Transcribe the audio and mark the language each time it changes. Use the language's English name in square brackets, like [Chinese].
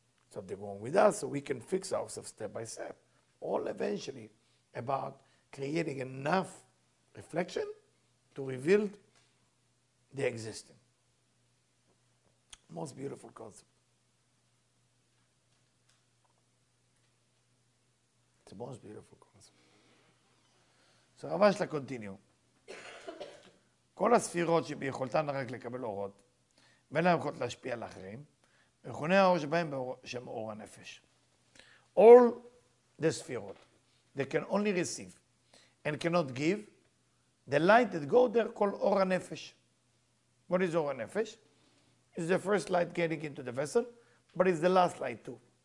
[English] Something wrong with us, so we can fix ourselves step by step. All eventually about creating enough reflection to reveal the existing. Most beautiful concept. It's the most beautiful concept. So Rav Ashla continue. [Hebrew] כל הספירות שביכולתן רק לקבל אורות, ואין להם יכולת להשפיע על אחרים, מכוני האור שבהם שם אור הנפש. [English] All the ספירות, they can only receive and cannot give the light that go there called אור הנפש. What is אור הנפש? It's the first light getting into the vessel, but it's the last light too.